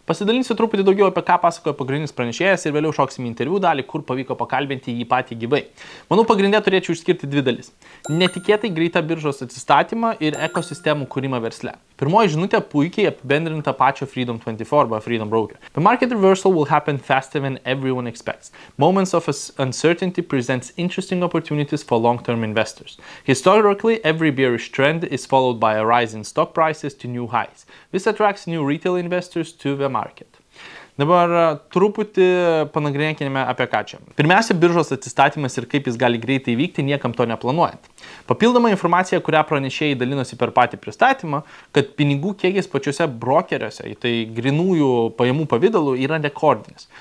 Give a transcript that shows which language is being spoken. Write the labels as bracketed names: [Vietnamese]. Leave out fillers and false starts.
[Lithuanian] Pasidalinsiu truputį daugiau apie ką pasakojo pagrindinis pranešėjas ir vėliau šoksime interviu dalį, kur pavyko pakalbinti jį patį gyvai. Manau, pagrindę turėčiau išskirti dvi dalis. Netikėtai greita biržos atsistatymą ir ekosistemų kūrimą versle. Pirmoji žinutė puikiai apibendrinta pačio Freedom 24 arba Freedom Broker. [English] The market reversal will happen faster than everyone expects. Moments of uncertainty presents interesting opportunities for long-term investors. Historically, every bearish trend is followed by a rise in stock prices to new highs. This attracts new retail investors to the market. [Lithuanian] Dabar truputį panagrinėkime apie ką čia. Pirmiausia, biržos atsistatymas ir kaip jis gali greitai vykti, niekam to neplanuojant. Papildoma informacija, kurią pranešėjai dalinosi per patį pristatymą, kad pinigų kiekis pačiuose brokeriuose, tai grinųjų pajamų pavidalų, yra rekordinis.